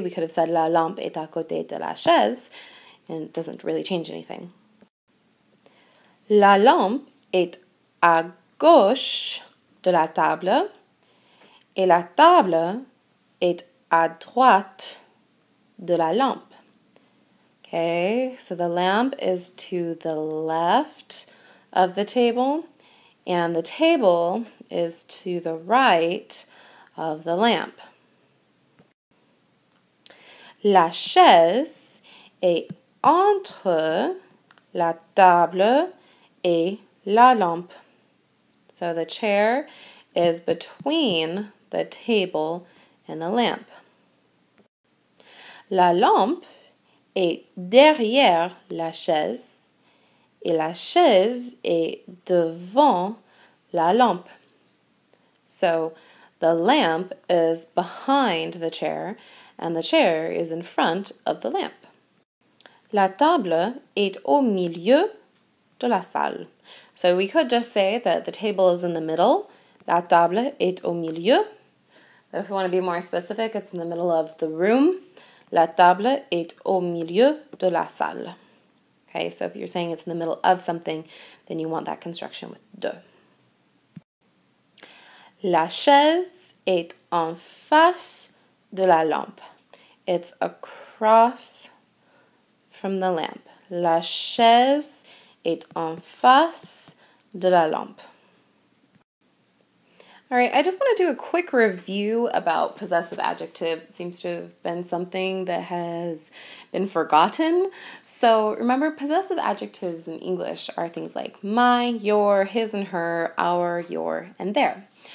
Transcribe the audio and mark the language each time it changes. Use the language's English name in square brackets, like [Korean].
[English] We could have said [French] la lampe est à côté de la chaise [English] and it doesn't really change anything. [French] La lampe est à gauche de la table et la table est à droite de la lampe. [English] Okay, so the lamp is to the left of the table and the table is to the right of the lamp. [French] La chaise est entre la table et la lampe. [English] So the chair is between the table and the lamp. [French] La lampe est derrière la chaise et la chaise est devant la lampe. [English] So the lamp is behind the chair and the chair is in front of the lamp. [French] La table est au milieu de la salle. [English] So we could just say that the table is in the middle. [French] La table est au milieu. [English] But if we want to be more specific, it's in the middle of the room. [French] La table est au milieu de la salle. [English] Okay, so if you're saying it's in the middle of something, then you want that construction with de. [French] La chaise est en face de la lampe. [English] It's across from the lamp. [French] La chaise est en face de la lampe. [English] All right, I just want to do a quick review about possessive adjectives. It seems to have been something that has been forgotten. So remember, possessive adjectives in English are things like my, your, his and her, our, your, and their.